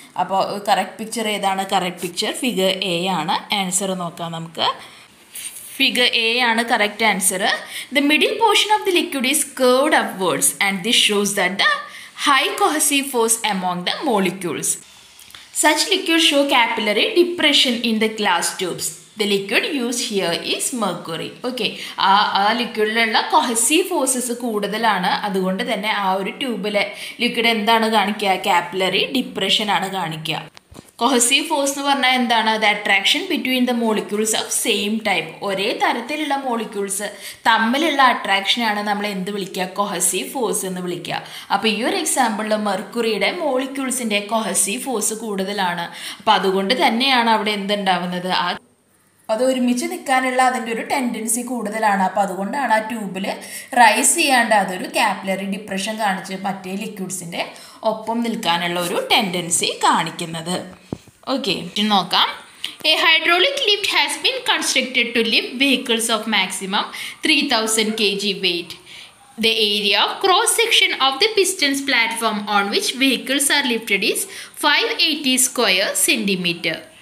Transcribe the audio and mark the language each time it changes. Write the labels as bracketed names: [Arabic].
[Malayalam] അപ്പോൾ correct picture ഏതാണ്, correct picture figure A ആണ്. ആൻസർ നോക്കാം നമുക്ക്, ഫിഗർ A ആണ് correct answer. [English] The middle portion of the liquid is curved upwards and this shows that the high cohesive force among the molecules. Such liquid show capillary depression in the glass tubes. The liquid used here is mercury. [Malayalam] Okay, ആ ലിക്വിഡിലുള്ള cohesive forces കൂടുതലാണ്. അതുകൊണ്ട് തന്നെ ആ ഒരു ട്യൂബിലെ liquid എന്താണ് കാണിക്കുക, capillary depression ആണ് കാണിക്കുക. കൊഹസീവ് ഫോഴ്സ് എന്ന് പറഞ്ഞാൽ എന്താണ്? [English] The attraction between the molecules of same type. [Malayalam] ഒരേ തരത്തിലുള്ള മോളിക്യൂൾസ് തമ്മിലുള്ള അട്രാക്ഷനാണ് നമ്മൾ എന്ത് വിളിക്കുക? കൊഹസീവ് ഫോഴ്സ് എന്ന് വിളിക്കുക. അപ്പോൾ ഈ ഒരു എക്സാമ്പിളിൽ മെർക്കുറിയുടെ മോളിക്യൂൾസിൻ്റെ കൊഹസീവ് ഫോഴ്സ് കൂടുതലാണ്. അപ്പം അതുകൊണ്ട് തന്നെയാണ് അവിടെ എന്തുണ്ടാവുന്നത്? ആ അത് ഒരുമിച്ച് നിൽക്കാനുള്ള അതിൻ്റെ ഒരു ടെൻഡൻസി കൂടുതലാണ്. അപ്പോൾ അതുകൊണ്ടാണ് ആ ട്യൂബിൽ റൈസ് ചെയ്യാണ്ട് അതൊരു കാപ്പിലറി ഡിപ്രഷൻ കാണിച്ച് മറ്റേ ലിക്വിഡ്സിൻ്റെ ഒപ്പം നിൽക്കാനുള്ള ഒരു ടെൻഡൻസി കാണിക്കുന്നത്. ഓക്കെ, നോക്കാം. [English] A hydraulic lift has been constructed to lift vehicles of maximum 3000 kg weight. The area of cross section of the pistons platform on which vehicles are lifted is 580 square centimeter.